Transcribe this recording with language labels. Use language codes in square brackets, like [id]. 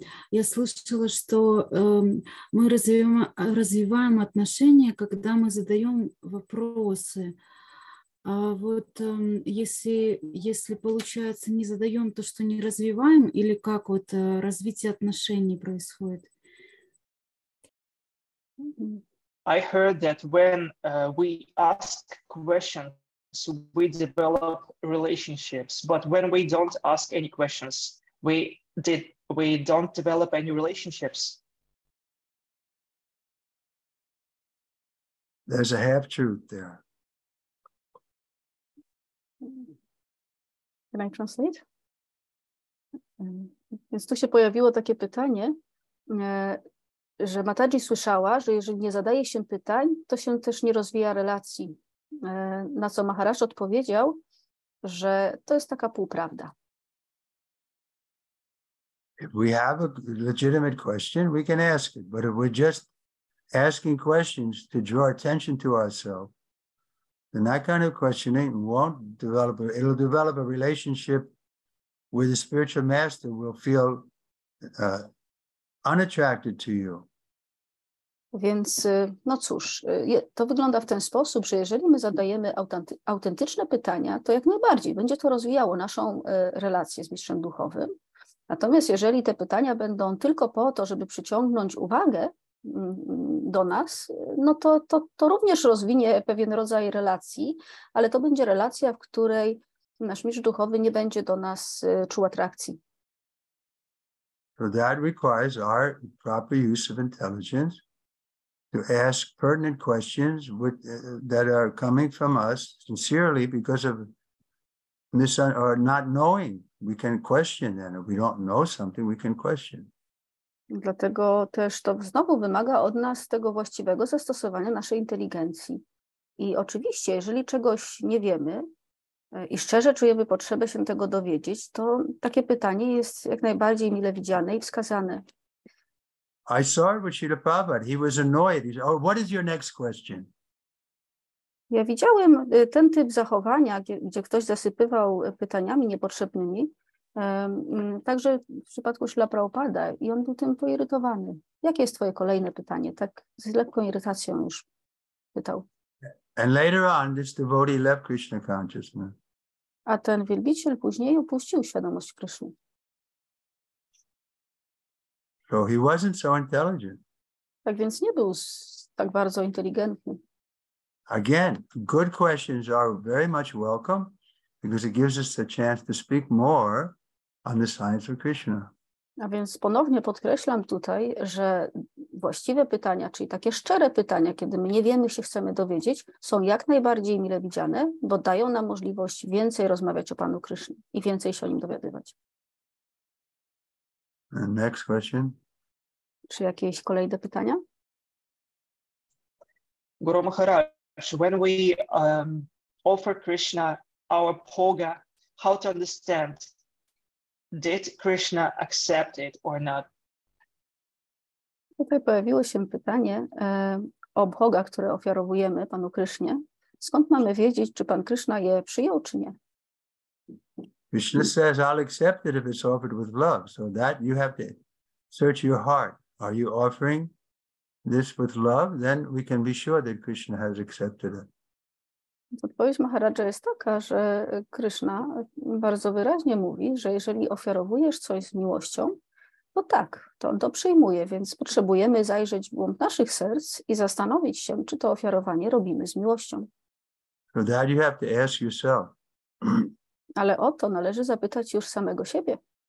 [ru] Я слышала, что мы развиваем отношения, когда мы задаем вопросы. А вот если получается, не задаем то, что не развиваем, или как вот развитие отношений происходит? [en] I heard that when we ask questions, so we develop relationships, but when we don't ask any questions, we don't develop any relationships. There's a half truth there. Can I translate? [pl] Więc tu się pojawiło takie pytanie, że Mataji słyszała, że jeżeli nie zadaje się pytań, to się też nie rozwija relacji. Na co Maharaj odpowiedział, że to jest taka półprawda. [en] If we have a legitimate question, we can ask it. But if we're just asking questions to draw attention to ourselves, then that kind of questioning won't develop. It'll develop a relationship with the spiritual master. We'll feel unattracted to you. [pl] Więc no cóż, to wygląda w ten sposób, że jeżeli my zadajemy autentyczne pytania, to jak najbardziej będzie to rozwijało naszą relację z mistrzem duchowym. Natomiast jeżeli te pytania będą tylko po to, żeby przyciągnąć uwagę do nas, no to również rozwinie pewien rodzaj relacji, ale to będzie relacja, w której nasz mistrz duchowy nie będzie do nas czuł atrakcji. [en] So that requires our proper use of intelligence to ask pertinent questions that are coming from us sincerely because of or not knowing. We can question then. If we don't know something, we can question. [pl] Dlatego też to znowu wymaga od nas tego właściwego zastosowania naszej inteligencji. I oczywiście, jeżeli czegoś nie wiemy i szczerze czujemy potrzebę się tego dowiedzieć, to takie pytanie jest jak najbardziej mile widziane i wskazane. [en] I saw it with Srila Prabhupada. He was annoyed. He said, oh, what is your next question? [pl] Ja widziałem ten typ zachowania, gdzie ktoś zasypywał pytaniami niepotrzebnymi, Także w przypadku Śrila Prabhupada i on był tym poirytowany. Jakie jest twoje kolejne pytanie? Tak z lekką irytacją już pytał. [en] And later on, this devotee left Krishna consciousness. [pl] A ten wielbiciel później opuścił świadomość Kryszny. [en] So he wasn't so intelligent. [pl] Tak więc nie był tak bardzo inteligentny. [en] Again, good questions are very much welcome because it gives us a chance to speak more on the science of Krishna. [pl] A więc ponownie podkreślam tutaj, że właściwe pytania, czyli takie szczere pytania, kiedy my nie wiemy, się chcemy dowiedzieć, są jak najbardziej mile widziane, bo dają nam możliwość więcej rozmawiać o Panu Krysznie i więcej się o Nim dowiadywać. [en] And next question. [pl] Czy jakieś kolejne pytania? [en] Guru Maharaj, when we offer Krishna our poga, how to understand? Did Krishna accept it or not? [pl] Tutaj pojawiło się pytanie o bhoga, które ofiarowujemy Panu Krysznie. Skąd mamy wiedzieć, czy Pan Krishna je przyjął, czy nie? [en] Krishna says, I'll accept it if it's offered with love. So that you have to search your heart. Are you offering this with love? Then we can be sure that Krishna has accepted it. [pl] Odpowiedź Maharaja jest taka, że Krishna bardzo wyraźnie mówi, że jeżeli ofiarowujesz coś z miłością, to tak, to on to przyjmuje, więc potrzebujemy zajrzeć w głąb naszych serc i zastanowić się, czy to ofiarowanie robimy z miłością. [en] So that you have to ask yourself. [pl] Ale o to należy zapytać już samego siebie.